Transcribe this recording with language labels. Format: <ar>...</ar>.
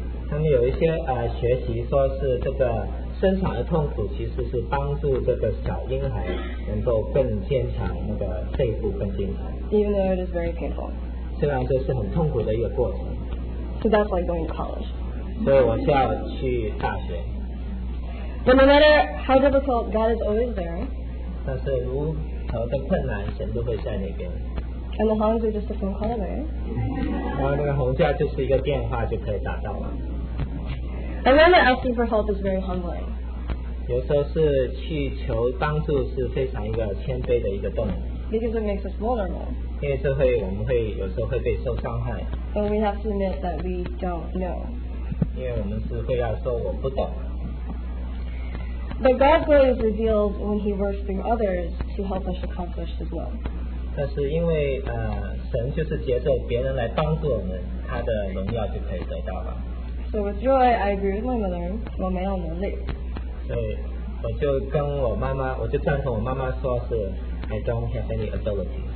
<zh>他们有一些学习说是这个生产的痛苦其实是帮助这个小婴孩能够更坚强，那个肺部更坚强。</zh> <en>Even though it is very painful.</en> <zh>虽然这是很痛苦的一个过程。</zh> <en>So that's why going to college.</en> <zh>所以我是要去大学。</zh> <en>But no matter how difficult, God is always there.</en> <zh>但是如何的困难，神都会在那边。</zh> <en>And the hounds are just a phone call away.</en> <zh>然后那个红架就是一个电话就可以打到了。</zh> <en>And then asking for help is very humbling.</en> <zh>有时候是去求帮助是非常一个谦卑的一个动作。</zh> <en>Because it makes us vulnerable.</en> <zh>因为这会我们会有时候会被受伤害。</zh> <en>And we have to admit that we don't know.</en> <zh>因为我们是会要说我不懂。</zh> <en>But God's way is revealed when He works through others to help us accomplish His will.</en> <zh>但是因为神就是借着别人来帮助我们，他的荣耀就可以得到了。</zh> <en>So with joy, I agree with my mother.</en> <zh>我没有能力。所以我就跟我妈妈，我就赞同我妈妈说是</zh> <en>I don't have any ability.</en>